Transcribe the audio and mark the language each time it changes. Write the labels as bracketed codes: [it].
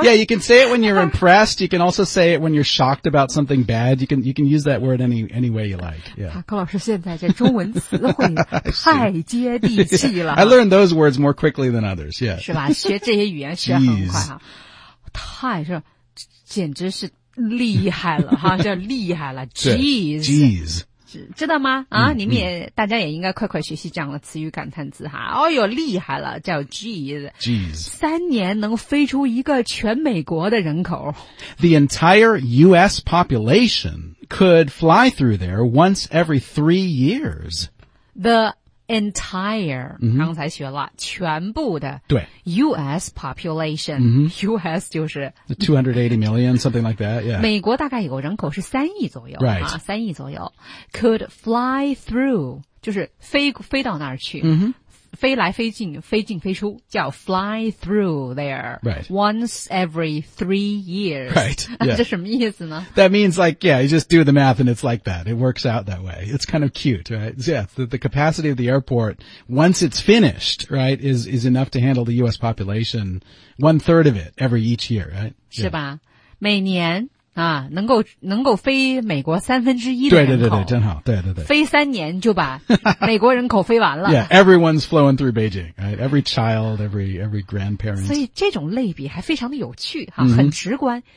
[en] Yeah, you can say it when you're impressed. You can also say it when you're shocked about something bad. You can use that word any way you like. Yeah. [zh] 高老师现在这中文词汇太接地气了。 [en] I learned those words more quickly than others. Yeah. [zh] 是吧？学这些语言学很快哈。太是，简直是厉害了哈！这厉害了 ，Jeez。 [en] Jeez。 [zh] 知道吗？啊，你们也大家也应该快快学习这样的词语感叹词哈。哦哟，厉害了，叫 Jeez。 [en] Jeez。 [zh] 三年能飞出一个全美国的人口。 [en] The entire U.S. population could fly through there once every 3 years. The entire,、 [zh] mm-hmm. 刚才学了，全部的。对。 [en] U.S. population,、 mm-hmm. [zh] U.S. 就是。 [en] 280 million, something like that, yeah. [zh] 美国大概有个人口是三亿左右。 [en] Right. [zh] 三亿左右。 [en] Could fly through, [zh] 就是飞到那儿去。 Mm-hmm. 飞来飞进飞进飞出叫 [en] fly through there. Right. Once every 3 years. Right.、Yeah. [zh] 这什么意思呢 [en] ?That means like, yeah, you just do the math and it's like that. It works out that way. It's kind of cute, right? Yeah, the capacity of the airport, once it's finished, right, is enough to handle the U.S. population, one third of it every each year, right?、 Yeah. [zh] 是吧每年啊能够飞美国三分之一的人口。对对对对真好对对对。飞三年就把美国人口飞完了。 [en] Yeah, everyone's flowing through Beijing, right? Every child, every grandparent. [zh] 所以这种类比还非常的有趣啊、mm-hmm. 很直观。